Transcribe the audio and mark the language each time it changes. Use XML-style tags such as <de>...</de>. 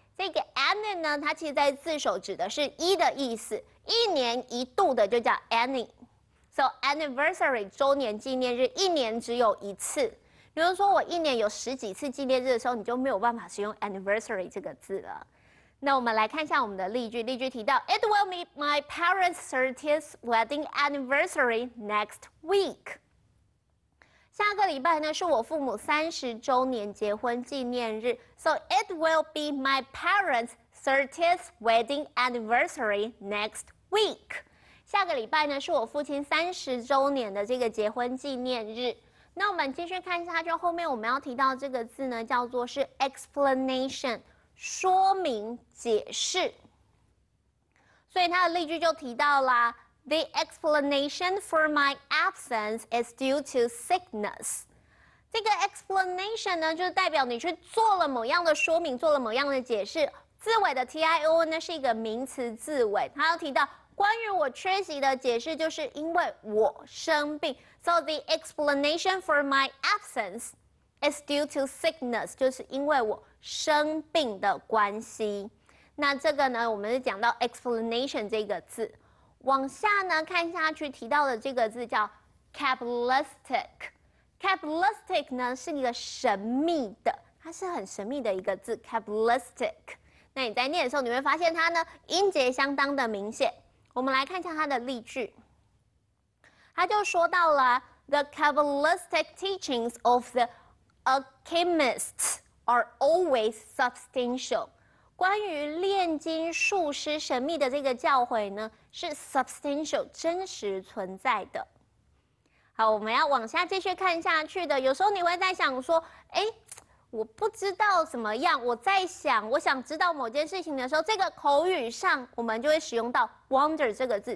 <zh>这个 anni 呢，它其实在字首指的是一的意思，一年一度的就叫 anni。 So anniversary 周年纪念日，一年只有一次。比如说我一年有十几次纪念日的时候，你就没有办法使用 anniversary 这个字了。那我们来看一下我们的例句，例句提到 ，</zh> <en>It will be my parents' 30th wedding anniversary next week。</en> <zh>下个礼拜呢是我父母三十周年结婚纪念日 ，</zh> <en>So it will be my parents' 30th wedding anniversary next week。</en> <zh>下个礼拜呢是我父亲三十周年的这个结婚纪念日。那我们继续看一下，就后面我们要提到这个字呢，叫做是 explanation。说明解释，所以他的例句就提到了 ，</zh> <en>The explanation for my absence is due to sickness。</en> <zh>这个 explanation 呢，就是代表你去做了某样的说明，做了某样的解释。字尾的 tio 呢是一个名词字尾，他要提到关于我缺席的解释，就是因为我生病。</zh> <en>So the explanation for my absence is due to sickness，</en> <zh>就是因为我。生病的关系，那这个呢，我们是讲到 explanation 这个字。往下呢，看下去提到的这个字叫 capitalistic。 capitalistic 呢是一个神秘的，它是很神秘的一个字 capitalistic。那你在念的时候，你会发现它呢音节相当的明显。我们来看一下它的例句，它就说到了</zh> <en>the capitalistic teachings of the alchemists。 Are always substantial.</en> <zh>关于炼金术师神秘的这个教诲呢，是 substantial 真实存在的。好，我们要往下继续看下去的。有时候你会在想说，哎，我不知道怎么样。我在想，我想知道某件事情的时候，这个口语上我们就会使用到 wonder 这个字。</zh>